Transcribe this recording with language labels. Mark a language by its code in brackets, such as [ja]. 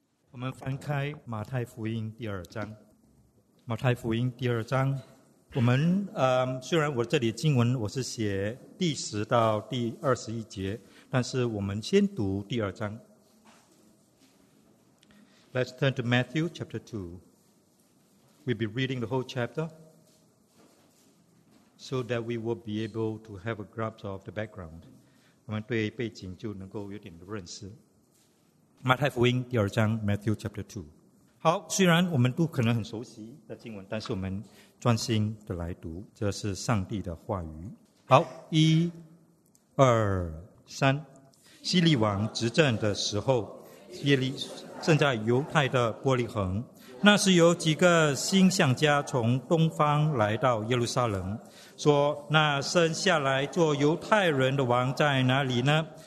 [zh] 马太福音第二章，马太福音第二章，我们虽然我这里经文我是写第十到第二十一节，但是我们先读第二章。 [en] Let's turn to Matthew chapter 2. We'll be reading the whole chapter so that we will be able to have a grasp of the background. [zh] 我们对背景就能够有点的认识。马太福音第二章 [en] Matthew chapter 2。 [zh] 好，虽然我们都可能很熟悉的经文，但是我们专心的来读，这是上帝的话语。好，一、二、三，希利王执政的时候，耶利正在犹太的伯利恒，那时有几个星象家从东方来到耶路撒冷，说那生下来做犹太人的王在哪里呢？